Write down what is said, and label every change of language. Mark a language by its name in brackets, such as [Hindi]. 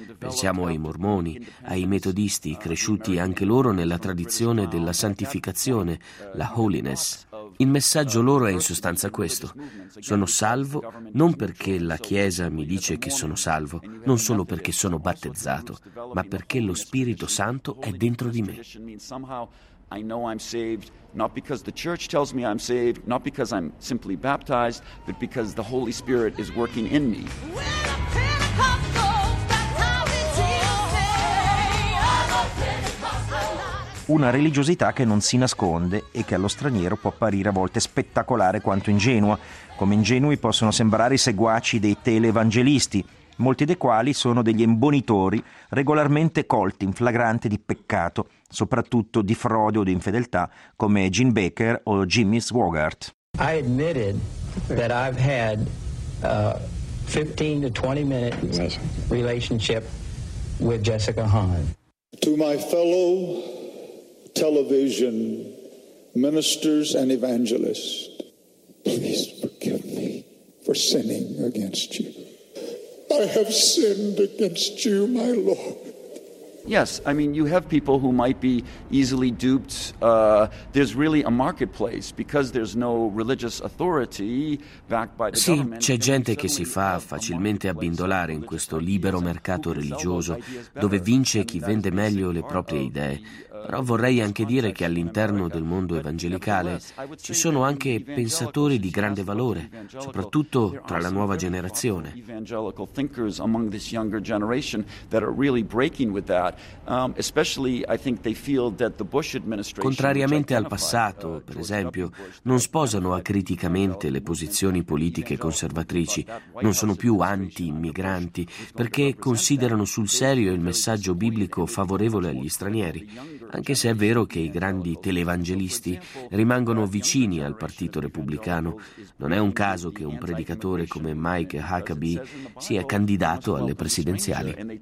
[Italian] Pensiamo ai mormoni, ai metodisti, cresciuti anche loro nella tradizione della santificazione, la holiness. Il messaggio loro è in sostanza questo: sono salvo non perché la Chiesa mi dice che sono salvo, non solo perché sono battezzato, ma perché lo Spirito Santo è dentro di me. [English] I know I'm saved not because the church tells me I'm saved, not because I'm simply baptized, but because the Holy Spirit is working in me. [Italian] Una religiosità che non si nasconde e che allo straniero può apparire a volte spettacolare quanto ingenua, come ingenui possono sembrare i seguaci dei televangelisti, molti dei quali sono degli imbonitori regolarmente colti in flagrante di peccato, soprattutto di frode o di infedeltà, come Gene Baker o Jimmy Swaggart. [English] I admitted that I've had 15 to 20 minute relationship with Jessica Hahn. To my fellow television ministers and evangelists, please forgive me for sinning against you. I have sinned against you, my Lord. Yes, I mean you have people who might be easily duped. There's really a marketplace because there's no religious authority backed by the [Italian] sì, c'è gente che si fa facilmente abbindolare in questo libero mercato religioso dove vince chi vende meglio le proprie idee. Però vorrei anche dire che all'interno del mondo evangelicale ci sono anche pensatori di grande valore, soprattutto tra la nuova generazione. [English] Evangelical thinkers among this younger generation that are really breaking with that. Especially I think they feel that the Bush administration, [Italian] contrariamente al passato, per esempio, non sposano acriticamente le posizioni politiche conservatrici, non sono più anti-immigranti perché considerano sul serio il messaggio biblico favorevole agli stranieri. Anche se è vero che i grandi televangelisti rimangono vicini al Partito Repubblicano, non è un caso che un predicatore come Mike Huckabee sia candidato alle presidenziali.